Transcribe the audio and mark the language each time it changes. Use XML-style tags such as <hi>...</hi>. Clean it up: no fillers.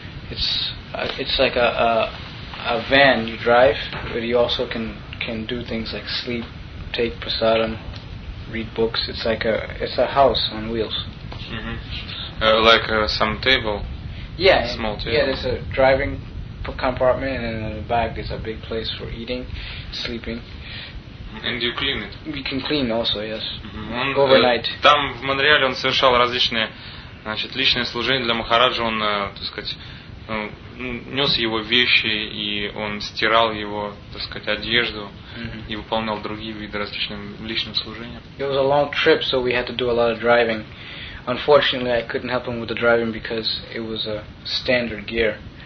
<en>It's like a van you drive, but you also can do things like sleep, take prasadam, read books. It's a house on wheels. Mm-hmm. Some table. Yeah. Small table. Yeah, there's a driving compartment, and in the back there's a big place for eating, sleeping. And you clean it. We can clean also, yes. Mm-hmm. Overnight.</en> <ru>Там в Монреале он совершал различные, значит, личные служения для Махараджа. Он, так сказать, нес его вещи, и он стирал его, так сказать, одежду, mm-hmm. и выполнял другие виды различных личных служений.</ru> <en>It was a long trip, so we had to do a lot of driving. Unfortunately, I couldn't help him with the driving because it was a standard gear.</en>